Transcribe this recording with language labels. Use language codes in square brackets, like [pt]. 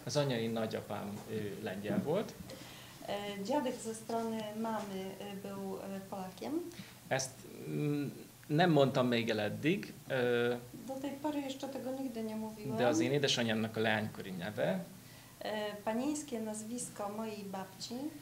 [hu] Az anyai nagyapám lengyel volt. [pl] Dziadek ze strony mamy był Polakiem. [hu] Ezt nem mondtam még el eddig. [pl] Do tej pory jeszcze tego nigdy nie mówiłem. [hu] De az én édesanyámnak a leánykori neve. [pl] Panińskie nazwisko mojej babci.